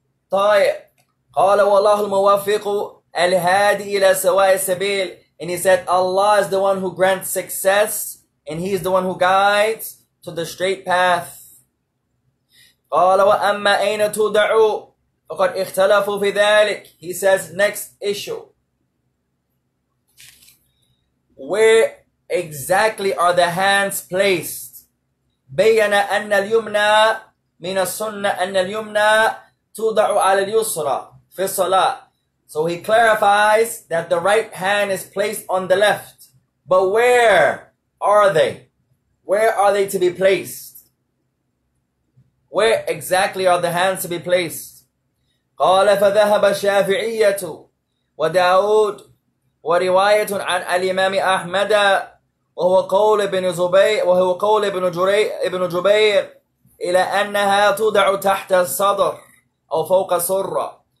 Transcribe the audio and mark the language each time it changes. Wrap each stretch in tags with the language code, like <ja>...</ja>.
<ar>طيب قال والله الموفق الهادي إلى سواء السبيل.</ar> <en>And he said, Allah is the one who grants success, and he is the one who guides to the straight path.</en> <ar>قال وأما أين تدعو فقد اختلفوا في ذلك.</ar> <en>He says, next issue. Where exactly are the hands placed?</en> <ar>بينا أن اليمنى من السنة أن اليمنى توضع على اليسرى في الصلاة.</ar> <en>So he clarifies that the right hand is placed on the left. But where are they? Where are they to be placed? Where exactly are the hands to be placed?</en> <ar>قال فذهب الشافعية وداود ورواية عن الإمام أحمد وهو قول ابن زبير وهو قول ابن جري ابن جبير إلى أنها تدع تحت الصدر أو فوق سرة.</ar>